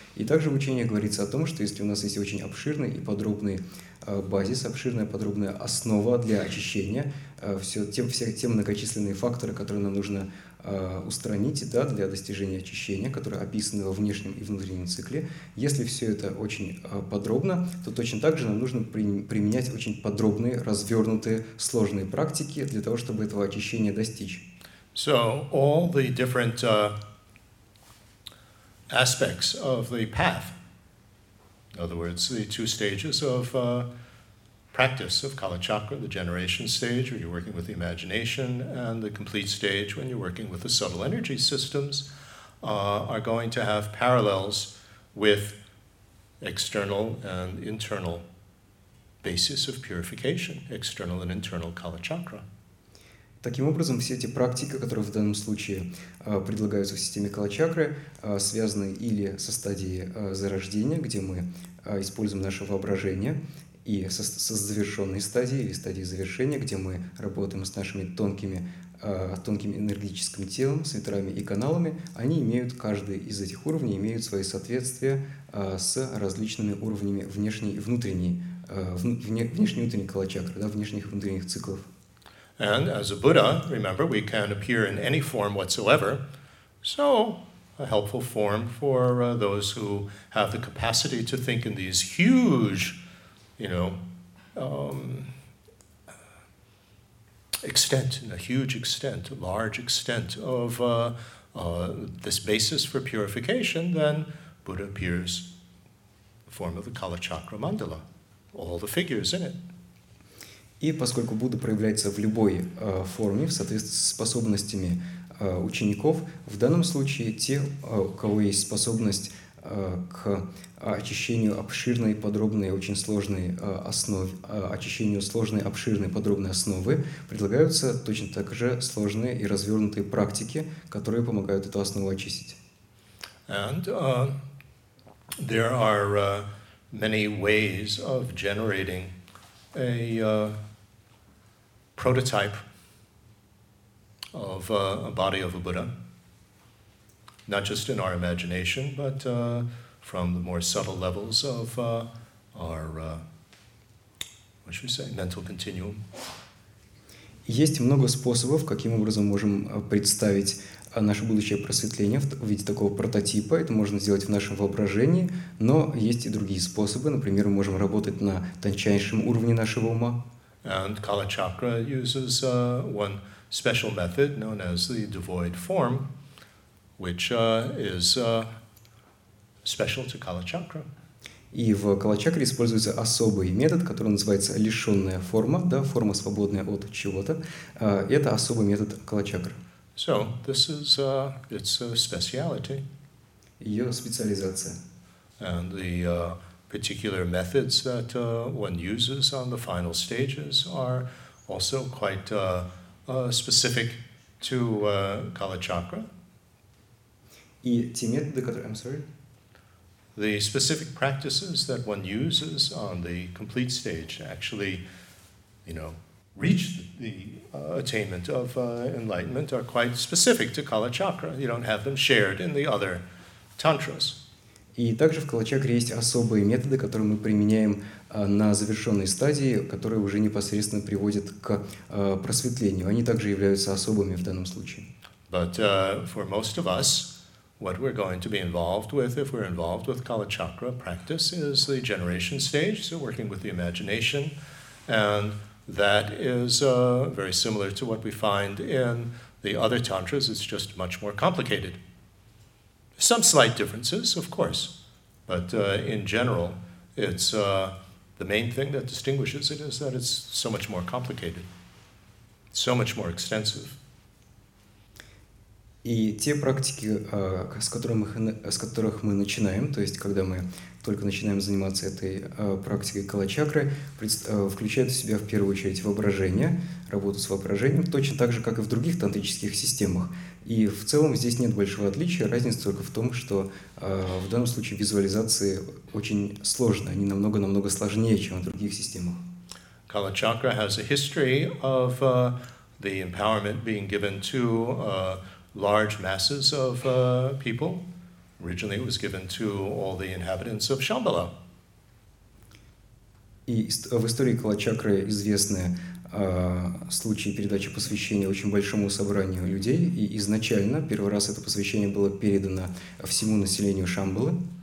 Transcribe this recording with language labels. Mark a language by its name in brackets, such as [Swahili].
[Russian] И также в учении говорится о том, что если у нас есть очень обширный и подробный базис, обширная подробная основа для очищения, все те многочисленные факторы, которые нам нужно устранить, да, для достижения очищения, которые описаны во внешнем и внутреннем цикле. Если все это очень подробно, то точно так же нам нужно применять очень подробные, развернутые, сложные практики для того, чтобы этого очищения достичь. [English] So, all the different aspects of the path, in other words, the two stages of practice of Kalachakra, the generation stage, where you're working with the imagination, and the complete stage, when you're working with the subtle energy systems, are going to have parallels with external and internal basis of purification, external and internal Kalachakra. [Russian] Таким образом, все эти практики, которые в данном случае предлагаются в системе Калачакры, связаны или со стадией зарождения, где мы используем наше воображение, и со завершенной стадией, или стадией завершения, где мы работаем с нашими тонким энергетическим телом, с ветрами и каналами, они имеют, каждый из этих уровней имеют свои соответствия с различными уровнями внешней и внутренней, внешней и внутренней Калачакры, да, внешних и внутренних циклов. [English] And as a Buddha, remember, we can appear in any form whatsoever. So, a helpful form for those who have the capacity to think in these huge, you know, large extent of this basis for purification, then Buddha appears in the form of the Kalachakra mandala, all the figures in it. [Russian] И поскольку Будда проявляется в любой форме, в соответствии с способностями учеников, в данном случае те, у кого есть способность к очищению обширной, подробной, очень сложной основы, очищению сложной, обширной, подробной основы, предлагаются точно так же сложные и развернутые практики, которые помогают эту основу очистить. [English] And there are many ways of generating a prototype of a body of a Buddha, not just in our imagination, but from the more subtle levels of our, what should we say, mental continuum. [Russian] Есть много способов, каким образом можем представить наше будущее просветление в виде такого прототипа. Это можно сделать в нашем воображении, но есть и другие способы. Например, мы можем работать на тончайшем уровне нашего ума. [English] And Kala Chakra uses one special method known as the devoid form, which is special to Kala Chakra. [Russian] И в Калачакре используется особый метод, который называется лишённая форма, да, форма, свободная от чего-то. Это особый метод Калачакры. [English] So, this is its speciality. [Russian] Её специализация. [English] And the particular methods that one uses on the final stages are also quite specific to Калачакра. [Russian] И те методы, которые... [English] The specific practices that one uses on the complete stage actually, you know, reach the attainment of enlightenment are quite specific to Kala Chakra. You don't have them shared in the other tantras. [Russian] И также в Kala Chakra есть особые методы, которые мы применяем на завершенной стадии, которые уже непосредственно приводят к просветлению. Они также являются особыми в данном случае. [English] But for most of us, what we're going to be involved with, if we're involved with Kala Chakra practice, is the generation stage, so working with the imagination. And that is very similar to what we find in the other tantras. It's just much more complicated. Some slight differences, of course. But in general, it's the main thing that distinguishes it is that it's so much more complicated, so much more extensive. [Russian] И те практики, с которых мы начинаем, то есть когда мы только начинаем заниматься этой практикой калачакры, включают в себя в первую очередь воображение, работу с воображением, точно так же, как и в других тантрических системах. И в целом здесь нет большого отличия, разница только в том, что в данном случае визуализации очень сложно, они намного-намного сложнее, чем в других системах. [English] Калачакра has a history of the empowerment being given to large masses of people. Originally, it was given to all the inhabitants of Shambhala. [Russian] И в истории Калачакры известны случаи передачи посвящения очень большому собранию людей. И изначально, первый раз это посвящение было передано всему населению Шамбалы.